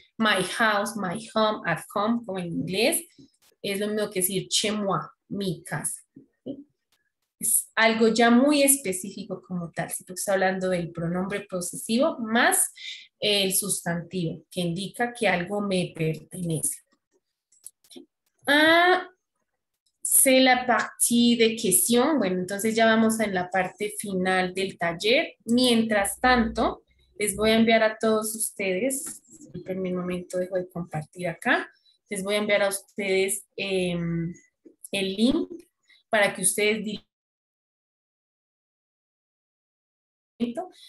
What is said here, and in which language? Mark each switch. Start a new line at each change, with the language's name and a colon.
English: My house, my home, at home,
Spanish: como en inglés, es lo mismo que decir
French: chez moi,
Spanish: mi casa, ¿sí? Es algo ya muy específico como tal, si tú estás hablando del pronombre posesivo más el sustantivo, que indica que algo me pertenece.
French: C'est la partie de question.
Spanish: Bueno, entonces ya vamos en la parte final del taller. Mientras tanto, les voy a enviar a todos ustedes, en mi momento dejo de compartir acá, les voy a enviar a ustedes el link para que ustedes diligencien.